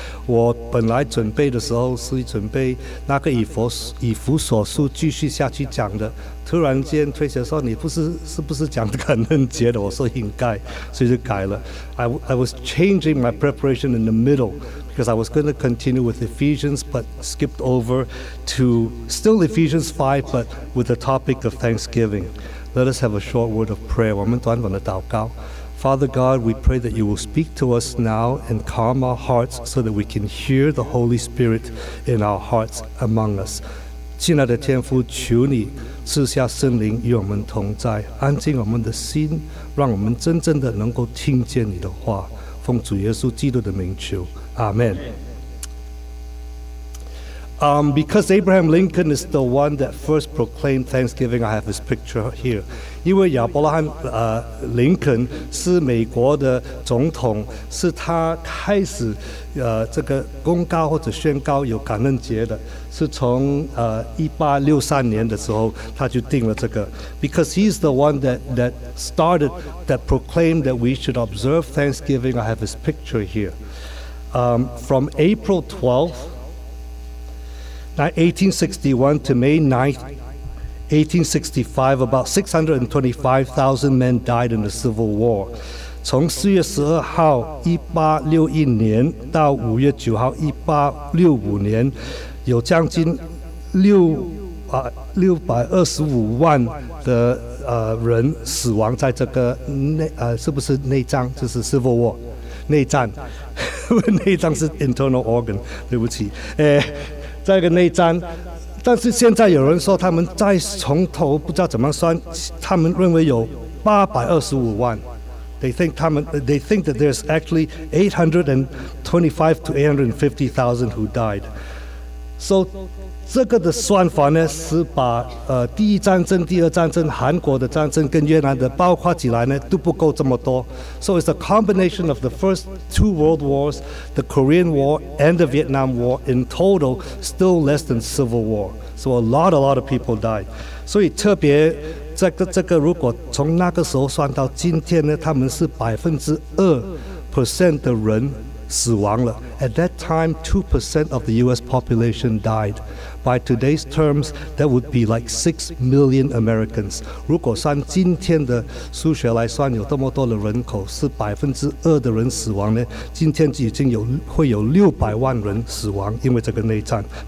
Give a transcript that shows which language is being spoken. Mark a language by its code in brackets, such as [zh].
[zh] 我本来准备的时候是准备那个以弗所书继续下去讲的，突然间推学说你是不是讲感恩节的，我说应该，所以就改了。 [en] I was changing my preparation in the middle because I was going to continue with Ephesians but skipped over to still Ephesians 5 but with the topic of Thanksgiving. Let us have a short word of prayer. [zh] 我们短短的祷告。 [en] Father God, we pray that you will speak to us now and calm our hearts so that we can hear the Holy Spirit in our hearts among us. [zh] 亲爱的天父，求你赐下圣灵与我们同在，安静我们的心，让我们真正的能够听见你的话。奉主耶稣基督的名求， Amen. [en] Because Abraham Lincoln is the one that first proclaimed Thanksgiving, I have his picture here. [zh] 因为亚伯拉罕林肯是美国的总统，是他开始这个公告或者宣告有感恩节的，是从1863年的时候他就定了这个。 [en] Because he's the one that proclaimed that we should observe Thanksgiving, I have his picture here. From April 12th. 1861 to May 9th, 1865, about 625,000 men died in the Civil War. [zh] 从4月12号1861年到5月9号1865年，有将近625万的人死亡在这个Civil War? 内战。内战是 internal organ, 对不起。在一个内战，但是现在有人说他们再从头不知道怎么算，他们认为有825万。 [en] They think that there's actually 825,000 to 850,000 who died. [zh] So 这个的算法呢，是把第一战争、第二战争、韩国的战争跟越南的包括起来呢，都不够这么多。 [en] So it's a combination of the first two world wars, the Korean War and the Vietnam War in total, still less than civil war. So a lot of people died. [zh] 所以特别这个如果从那个时候算到今天呢，他们是2%的人死亡了。 [en] At that time, 2% of the U.S. population died. By today's terms, that would be like 6 million Americans. [zh] 如果算今天的数学来算，有这么多的人口是2%的人死亡呢，今天已经会有600万人死亡，因为这个内战。